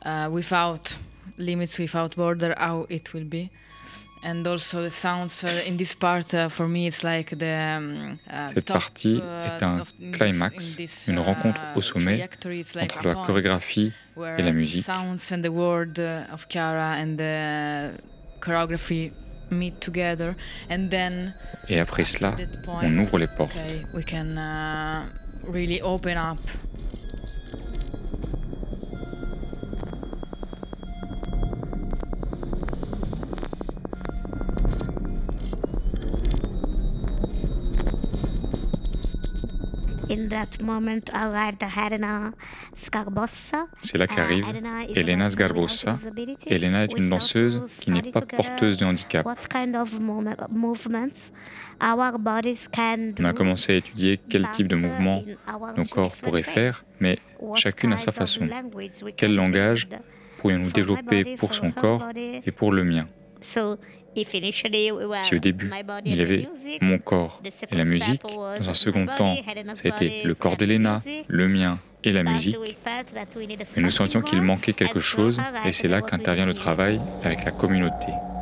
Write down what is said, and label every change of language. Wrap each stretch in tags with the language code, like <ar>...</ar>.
<en>Without limits, without border, how it will be? And also the sounds in this part for me it's like the</en> <fr>cette partie est un climax, une rencontre au sommet entre la chorégraphie et la musique.</fr> <en>Sounds and the word of Chiara and the choreography meet together and then</en> <fr>et après cela on ouvre les portes.</fr> <en>Okay, we can really open up. Thank you. In that moment arrived Elena Sgarbossa.</en> <fr>C'est là qu'arrive Elena Sgarbossa. Elena est une danseuse qui n'est pas porteuse de handicap.</fr> <en>What kind of movements our bodies can do.</en> <fr>On a commencé à étudier quel type de mouvements nos corps pourraient faire, mais chacune à sa façon. Quel langage pourrions-nous développer pour son corps et pour le mien? Si au début, il y avait mon corps et la musique, dans un second temps, c'était le corps d'Elena, le mien et la musique, mais nous sentions qu'il manquait quelque chose et c'est là qu'intervient le travail avec la communauté.</fr>